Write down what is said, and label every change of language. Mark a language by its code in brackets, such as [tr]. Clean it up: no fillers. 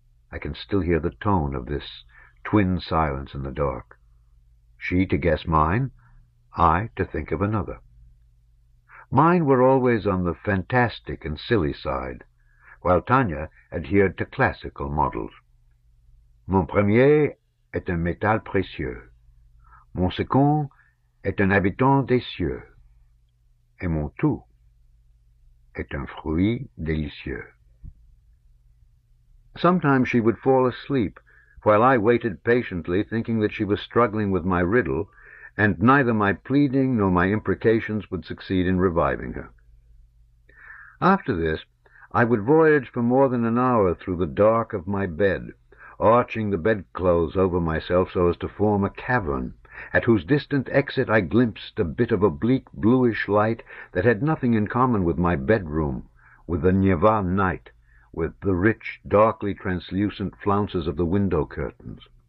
[en] I can still hear the tone of this twin silence in the dark. She to guess mine, I to think of another. Mine were always on the fantastic and silly side, while Tanya adhered to classical models. [fr] Mon premier est un métal précieux. Mon second est un habitant des cieux. Et mon tout est un fruit délicieux. [en] Sometimes she would fall asleep, while I waited patiently, thinking that she was struggling with my riddle, and neither my pleading nor my imprecations would succeed in reviving her. After this, I would voyage for more than an hour through the dark of my bed, arching the bedclothes over myself so as to form a cavern, at whose distant exit I glimpsed a bit of a bleak bluish light that had nothing in common with my bedroom, with the Neva night, with the rich, darkly translucent flounces of the window curtains.